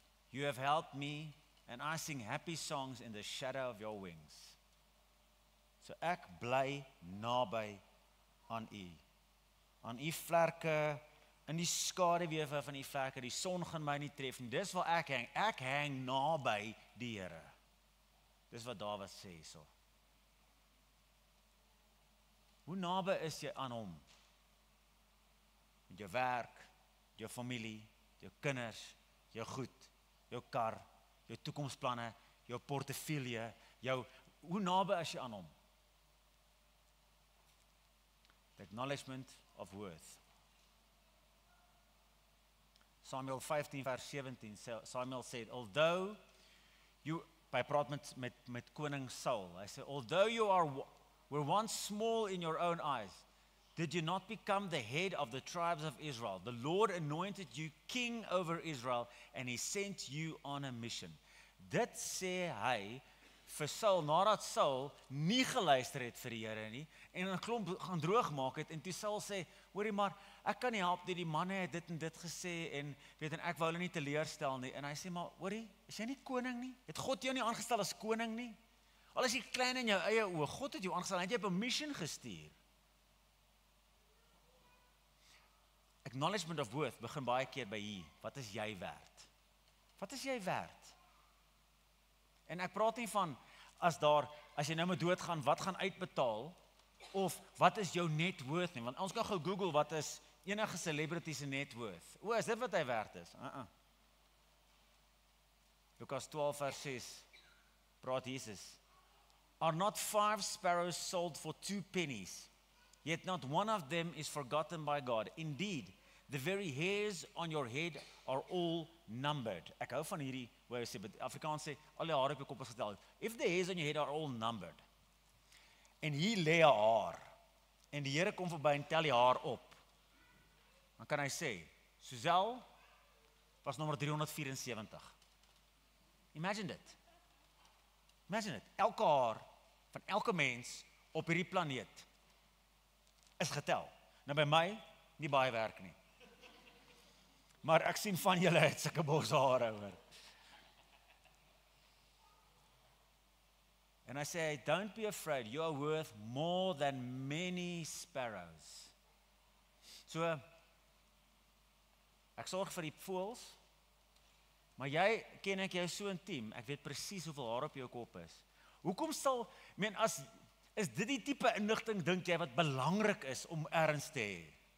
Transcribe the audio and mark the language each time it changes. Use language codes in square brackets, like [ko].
[en] You have helped me, and I sing happy songs in the shadow of your wings. [af] So ek bly naby aan u. Aan die vlerke, in die skaduwee van die vlerke, die son gaan my nie tref, en dis waar ek hang naby die Here. Dis wat Dawid sê so. Hoe naby is jy aan hom? Met jou werk, jou familie, jou kinders, jou goed, jou kar, jou toekomsplanne, jou portefeulje, jou, hoe naby is jy aan hom? [en] Acknowledgement of worth. Samuel 15 vers 17, Samuel said, although you, [af] by praat met koning Saul, hy sê, [en] although you are were once small in your own eyes, did you not become the head of the tribes of Israel? The Lord anointed you king over Israel, and he sent you on a mission. [af] Dit sê hy, vir Saul, nadat Saul nie geluister het vir die Here nie, en een klomp gaan droog maak het, en toe Saul sê, hoorie maar, ek kan nie help, die manne het dit en dit gesê, en weet en ek wou hulle nie teleerstel nie, en hy sê, maar hoorie, is jy nie koning nie? Het God jou nie aangestel as koning nie? Al is jy klein in jou eie oog, God het jou aangestel, en jy op 'n mission gestuur. [en] Acknowledgement of worth [af] begin baie keer by hier, wat is jy werd? Wat is jy werd? En ek praat nie van, as jy nou moet doodgaan, wat gaan uitbetaal, of wat is jou net worth nie, want ons kan gou Google wat is enige celebrity se net worth, o, is dit wat hy werd is? Lukas 12 vers 6, praat Jesus, [en] are not five sparrows sold for two pennies, yet not one of them is forgotten by God, indeed, the very hairs on your head are all numbered. [af] Ek hou van hierdie, waar hy sê, but Afrikaans sê, al die haar op jou kop is geteld. [en] If the hairs on your head are all numbered, [af] en hier lê haar, en die Here kom voorby en tel die haar op, dan kan hy sê, Suzel was nommer 374. Imagine dit. Imagine dit. Elke haar van elke mens op hierdie planeet is getel. Nou by my nie baie werk nie. Maar ek sien van julle het sulke bos haar oor. En hy sê, [en] don't be afraid, you are worth more than many sparrows. [af] So, ek sorg vir die voels, maar jy, ken ek jou so intiem, ek weet precies hoeveel haar op jou kop is. Hoekom sal, men as, is dit die type inligting, dink jy, wat belangrik is om erns te hee?